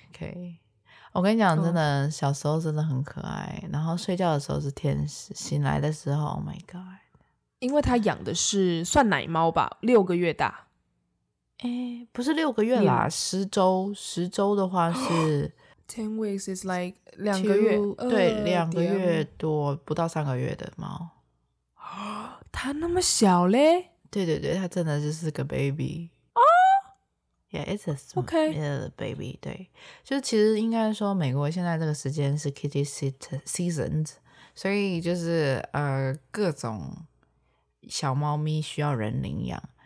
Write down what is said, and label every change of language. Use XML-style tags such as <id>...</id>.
<zh>OK。我跟你讲真的、小时候真的很可爱，然后睡觉的时候是天使，醒来的时候</zh> <en>Oh my god。</en> <zh>因为他养的是算奶猫吧，六个月大、不是六个月啦，十周的话是</zh> <en>10 weeks is like</en> <zh>两个月对，两个月多，不到三个月的猫。他那么小嘞？对对对，他真的就是个 baby。</zh> <en>Yeah, it's a small、baby.</en> <zh>对，就其实应该说美国现在这个时间是 kitty season， 所以就是各种小猫咪需要人领养。</zh>